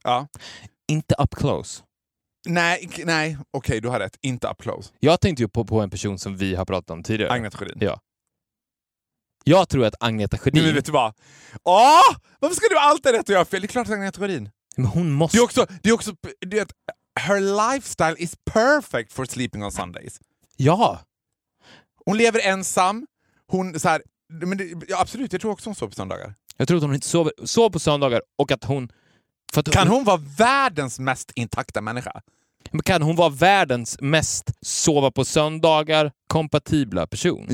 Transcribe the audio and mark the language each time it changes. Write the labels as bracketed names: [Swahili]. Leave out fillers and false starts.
[Swedish] Ja. Inte [English] up close. [Swedish] Nej, okej, du har rätt. Inte [English] up close. [Swedish] Jag tänkte ju på en person som vi har pratat om tidigare. Agneta Sjödin. Ja. Jag tror att Agneta Sjödin... Men vet du vad? Åh! Varför ska du alltid rätt och göra fel? Det är klart att Agneta Sjödin. Men hon måste... Det är också... Du vet, [English] her lifestyle is perfect for sleeping on Sundays. [Swedish] Ja. Hon lever ensam. Hon så här... Men det, ja, absolut, jag tror också hon sover på söndagar. Jag tror att hon inte sover på söndagar och att hon... För att kan hon vara världens mest intakta människa? Men kan hon vara världens mest sova på söndagar kompatibla person?